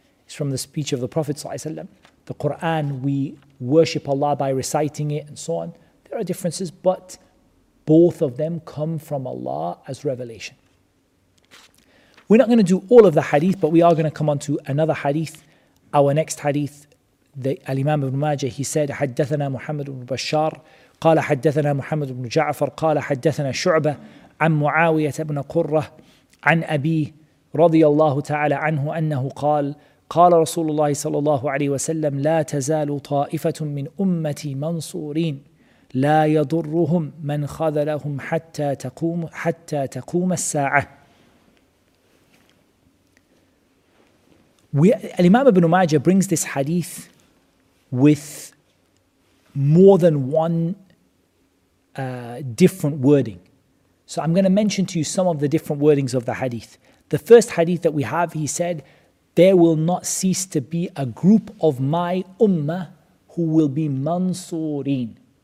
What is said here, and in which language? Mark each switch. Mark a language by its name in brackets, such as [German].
[English] It's from the speech of the Prophet sallallahu alaihi wasallam. The Quran, we worship Allah by reciting it and so on. There are differences, but both of them come from Allah as revelation. We're not going to do all of the hadith, but we are going to come on to another hadith. Our next hadith, the Al-Imam Ibn Majah, he said, [Arabic] حدثنا محمد بن بشار قال حدثنا محمد بن جعفر قال حدثنا شعبة عن معاوية بن قرة عن أبيه رضي الله تعالى عنه أنه قال قال رسول الله صلى الله عليه وسلم لا تزال طائفة من أمتي منصورين لا يضرهم من خذلهم حتى تقوم الساعة. [English] الإمام ابن ماجة brings this hadith with more than one different wording. So I'm going to mention to you some of the different wordings of the hadith. The first hadith that we have, he said, there will not cease to be a group of my ummah who will be mansurin.